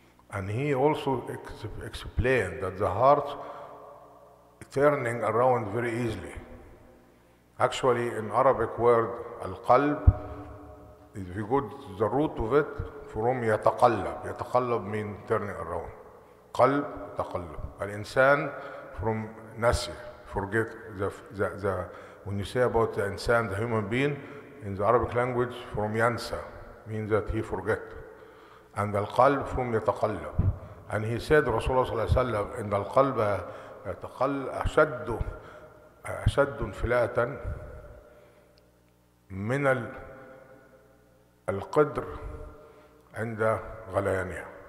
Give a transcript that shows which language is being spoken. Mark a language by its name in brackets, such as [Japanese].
[English] And he also explained that the heart turning around very easily. Actually, in Arabic word, al-qalb, if you go to the root of it, from يتقلب. [Arabic] يتقلب means turning around. قلب تقلب. الإنسان from نسي. [English] Forget the when you say about the insan, the human being, in the Arabic language, from ينسى means that he forget. And the قلب from يتقلب. And he said, [Arabic] Rasulullah صلى الله عليه وسلم, إن القلب يتقلب أشد انفلاتا من القدر عند غليانها.